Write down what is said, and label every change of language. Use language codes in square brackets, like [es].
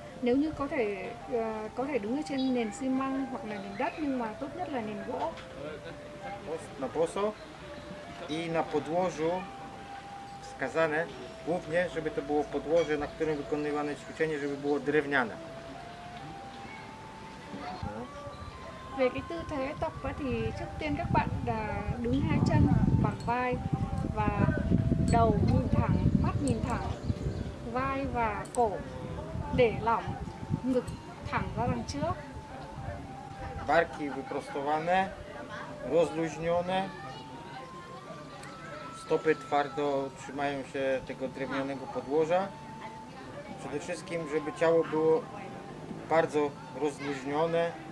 [vi] Nếu như có thể đứng ở trên nền xi măng hoặc là nền đất, nhưng mà tốt nhất là nền gỗ. [pl] Na posu i na podłożu wskazane głównie, żeby to było podłoże, na którym wykonywane ćwiczenie, żeby było drewniane. [vi] Về cái tư thế tập thì trước tiên các bạn đứng hai chân bằng vai và đầu nhìn thẳng, mắt nhìn thẳng, vai và cổ để lỏng, ngực thẳng ra đằng trước. [pl] Barki wyprostowane, rozluźnione. Stopy twardo trzymają się tego drewnianego podłoża. Przede wszystkim, żeby ciało było bardzo rozluźnione.